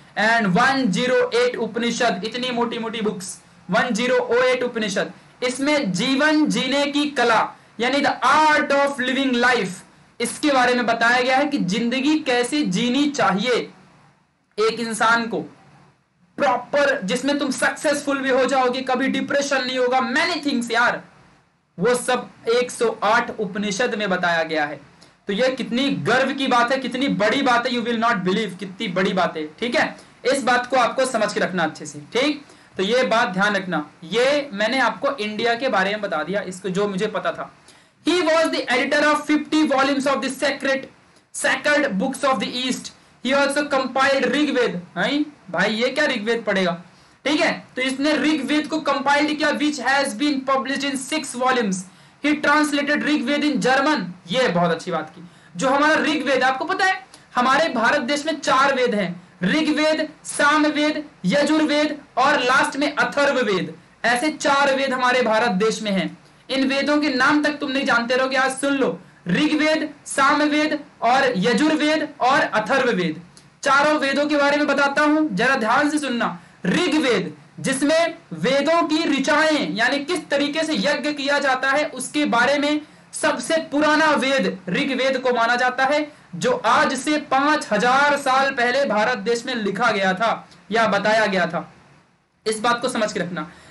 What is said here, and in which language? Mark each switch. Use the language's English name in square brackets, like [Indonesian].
[Hindi] And 108 उपनिषद, इतनी मोटी मोटी बुक्स, 108 उपनिषद, इसमें जीवन जीने की कला यानी [English] the art of living life [Hindi] इसके बारे में बताया गया है कि जिंदगी कैसे जीनी चाहिए एक इंसान को प्रॉपर, जिसमें तुम सक्सेसफुल भी हो जाओगे, कभी डिप्रेशन नहीं होगा, [English] many things [Hindi] यार, वो सब 108 उपनिषद में बताया गया है। तो ये कितनी गर्व की बात है, कितनी बड़ी बात है, [English] you will not believe [Hindi] कितनी बड़ी बात है, ठीक है, इस बात को आपको समझ के रखना अच्छे से, ठीक। तो ये बात ध्यान रखना, ये मैंने आपको इंडिया के बारे में बता दिया, इसको जो मुझे पता था। [English] He was the editor of 50 volumes of the sacred books of the East. He also compiled Rigved. [Hindi] हाँ भाई, ये क्या Rigved पढ़ेगा? ठीक है? तो इसने Rigved को compiled किया, [English] which has been published in 6 volumes. He translated Rigved in German. [Hindi] ये बहुत अच्छी बात की। जो हमारा Rigved, आपको पता है? हमारे भारत देश में 4 वेद हैं। Rigved, Samved, Yajurved और last में Atharvved. ऐसे 4 वेद हमारे भारत देश में हैं। इन वेदों के नाम तक तुम नहीं जानते रहोगे, आज सुन लो, ऋग्वेद, सामवेद और यजुर्वेद और अथर्ववेद। चारों वेदों के बारे में बताता हूं, जरा ध्यान से सुनना। ऋग्वेद, जिसमें वेदों की ऋचाएं यानी किस तरीके से यज्ञ किया जाता है उसके बारे में सबसे पुराना वेद ऋग्वेद को माना जाता है, जो आज से 5000 साल पहले भारत देश में लिखा गया था या बताया गया था, इस बात को समझ के रखना।